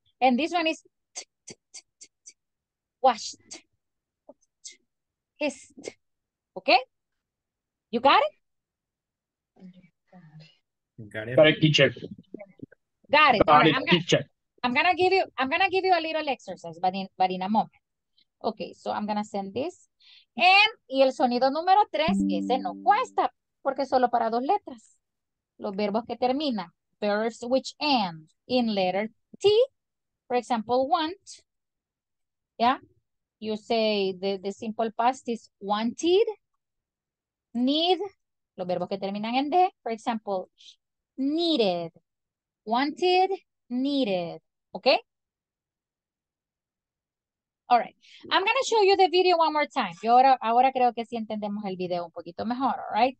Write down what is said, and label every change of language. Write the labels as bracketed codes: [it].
[en] And this one is washed. Hissed. Okay? You got it? Got it, teacher. All right, I'm gonna give you a little exercise, but in a moment. Okay, so I'm gonna send this. [es] Y el sonido número 3, ese no cuesta, porque solo para dos letras. Los verbos que terminan. [en] Verbs which end in letter T. For example, want. Yeah? You say the simple past is wanted. Need. [es] Los verbos que terminan en D. [en] For example, needed. Wanted, needed. Okay? All right, I'm going to show you the video one more time. [es] Yo ahora creo que sí entendemos el video un poquito mejor, [en] all right?